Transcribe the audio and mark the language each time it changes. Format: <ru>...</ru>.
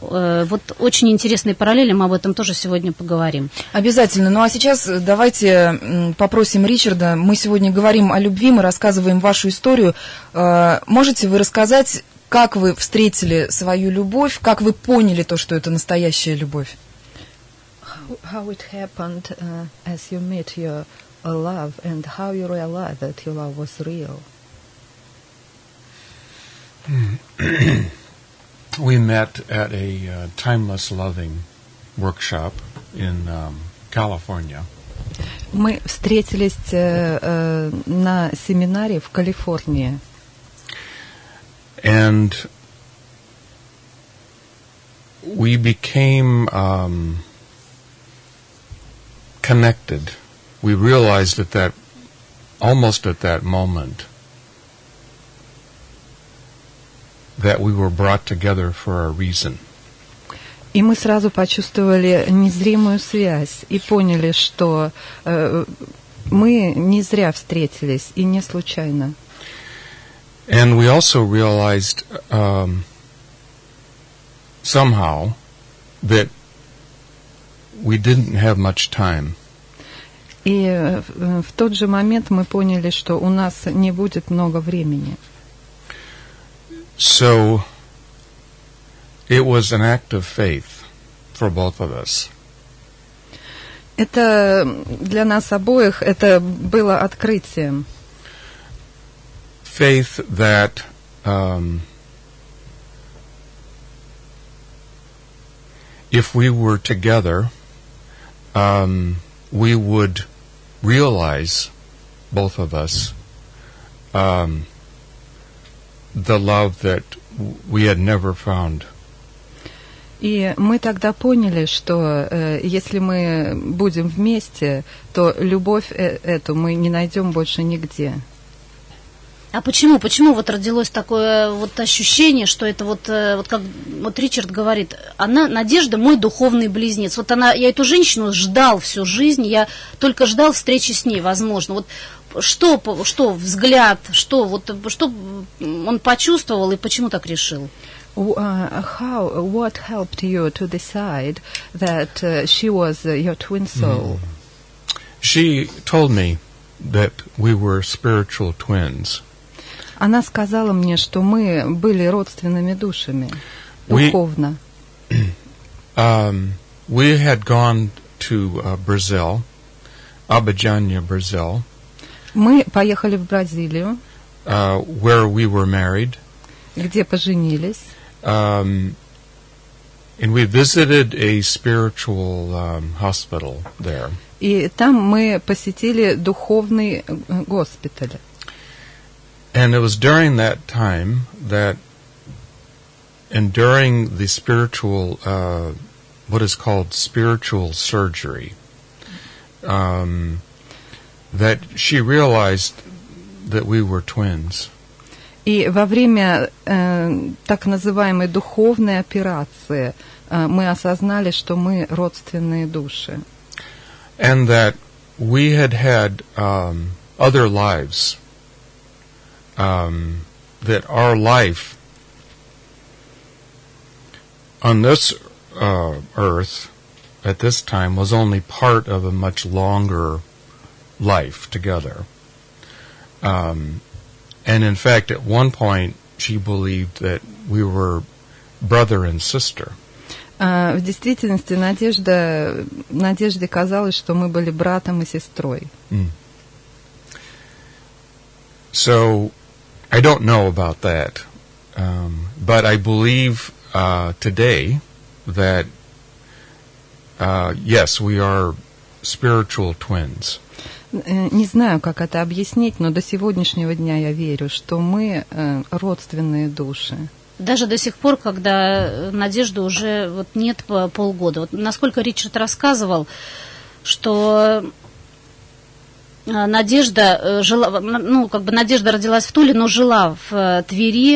<ru>Вот очень интересные параллели, мы об этом тоже сегодня поговорим. Обязательно. Ну а сейчас давайте попросим Ричарда. Мы сегодня говорим о любви, мы рассказываем вашу историю. Можете вы рассказать, как вы встретили свою любовь? Как вы поняли то, что это настоящая любовь?</ru> <en>How it happened as you met your love and how you realized that your love was real? We met at a timeless loving workshop in California.</en> <ru>Мы встретились на семинаре в Калифорнии.</ru> <en>And we became connected. We realized almost at that moment that we were brought together for a reason.</en> <ru>И мы сразу почувствовали незримую связь и поняли, что мы не зря встретились и не случайно.</ru> <en>And we also realized somehow that we didn't have much time.</en> <ru>И в тот же момент мы поняли, что у нас не будет много времени.</ru> <en>So it was an act of faith for both of us.</en> <ru>Это для нас обоих это было открытием.</ru> <en>Faith that if we were together, we would realize, both of us, the love that we had never found.</en> <ru>И мы тогда поняли, что если мы будем вместе, то любовь эту мы не найдем больше нигде. А почему? Почему вот родилось такое вот ощущение, что это вот, вот как вот Ричард говорит, она, Надежда, мой духовный близнец. Вот она, я эту женщину ждал всю жизнь, я только ждал встречи с ней, возможно. Вот что взгляд, что он почувствовал и почему так решил?</ru> <en>How, what helped you to decide that she was your twin soul? She told me that we were spiritual twins.</en> <ru>Она сказала мне, что мы были родственными душами, духовно.</ru> <en>We had gone to Brazil, Abidjania, Brazil.</en> <ru>Мы поехали в Бразилию,</ru> <en>where we were married.</en> <ru>Где поженились.</ru> <en>And we visited a spiritual hospital there.</en> <ru>И там мы посетили духовный госпиталь.</ru> <en>And it was during that time that, and during the spiritual, what is called spiritual surgery, that she realized that we were twins.</en> <ru>И во время так называемой духовной операции мы осознали, что мы родственные души.</ru> <en>And that we had had other lives, that our life on this earth at this time was only part of a much longer life together. And in fact, at one point, she believed that we were brother and sister.</en> <ru>В действительности, Надежде казалось, что мы были братом и сестрой.</ru> <en>So, I don't know about that. But I believe today that, yes, we are spiritual twins.</en> <ru>Не знаю, как это объяснить, но до сегодняшнего дня я верю, что мы родственные души. Даже до сих пор, когда Надежды уже вот нет полгода. Вот насколько Ричард рассказывал, что Надежда жила, ну, как бы Надежда родилась в Туле, но жила в Твери.</ru>